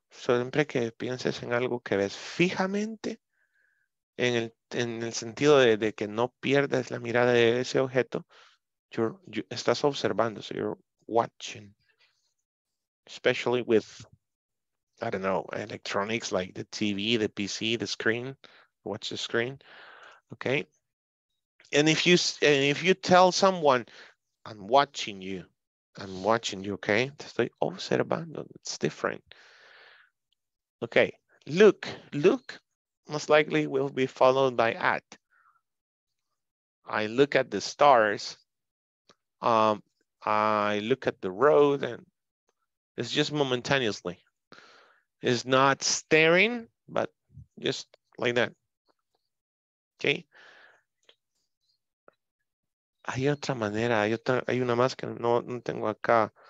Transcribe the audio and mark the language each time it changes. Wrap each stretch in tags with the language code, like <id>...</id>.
<es>Siempre que pienses en algo que ves fijamente, en el sentido de que no pierdas la mirada de ese objeto, estás observando,</es> <en>so you're watching. Especially with, I don't know, electronics like the TV, the PC, the screen. Watch the screen. Okay. And if you tell someone, I'm watching you, okay?</en> <es>Estoy observando,</es> <en>it's different. Okay, look, most likely will be followed by at. I look at the stars, I look at the road, and it's just momentaneously. It's not staring, but just like that, okay?</en> <es>Hay otra manera, hay una más que no tengo acá.</es>